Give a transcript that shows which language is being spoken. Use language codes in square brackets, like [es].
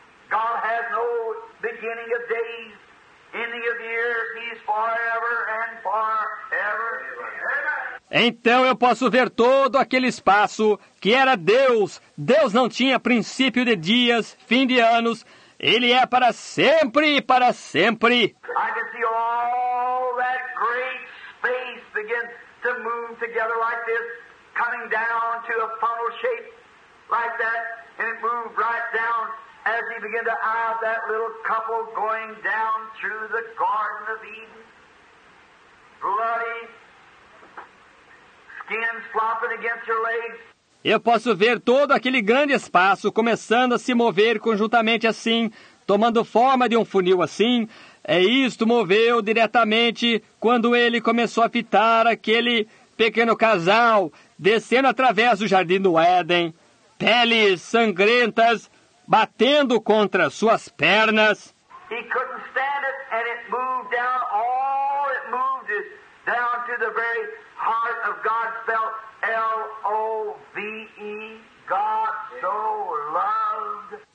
[en] God has no beginning of days, ending of years. He's forever and forever. [pt] Então eu posso ver todo aquele espaço que era Deus. Deus não tinha princípio de dias, fim de anos. Ele é para sempre e para sempre. [en] I can see all that great space begin to move together like this, coming down to a funnel shape like that. And it moved right down as he began to eye that little couple going down through the Garden of Eden. Bloody skins flopping against her legs. [pt] Eu posso ver todo aquele grande espaço começando a se mover conjuntamente assim, tomando forma de um funil assim. É isto, moveu diretamente quando ele começou a fitar aquele pequeno casal descendo através do Jardim do Éden, peles sangrentas batendo contra suas pernas. [en] He couldn't stand it, and it moved down, all it moved is down to the very heart of God, spelled L-O-V-E, God so loved.